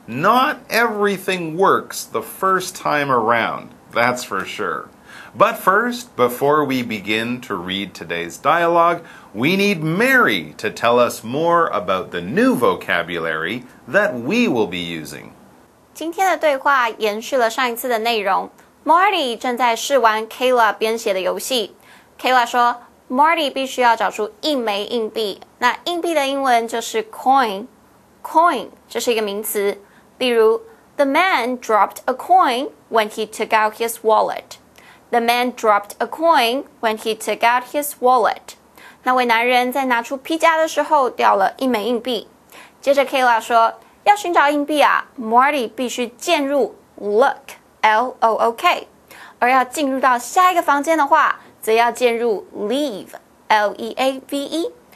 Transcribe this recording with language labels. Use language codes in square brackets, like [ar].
[en] Not everything works the first time around, that's for sure. But first, before we begin to read today's dialogue, we need Mary to tell us more about the new vocabulary that we will be using. [zh] 今天的对话延续了上一次的内容。 Marty 正在试玩 Kayla 编写的游戏。Kayla 说 ，Marty 必须要找出一枚硬币。那硬币的英文就是 coin。coin 这是一个名词。 [en] 比如 ，The man dropped a coin when he took out his wallet. The man dropped a coin when he took out his wallet. [zh] 那位男人在拿出皮夹的时候掉了一枚硬币。接着 Kayla 说。要寻找硬币啊 ，Marty 必须进入 look l o o k， 而要进入到下一个房间的话，则要进入 leave l e a v e。